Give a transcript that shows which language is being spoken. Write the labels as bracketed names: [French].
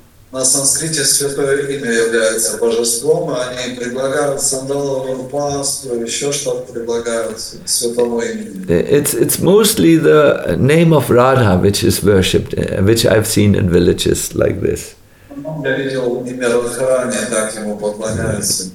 [Russian] На санскрите святое имя является божеством, а они предлагают сандаловую пасту, еще что-то предлагают святому имени. [English] It's mostly the name of Radha which is worshipped, which I've seen in villages like this. [Russian] Я видел имя Радхарани, так ему поклоняются.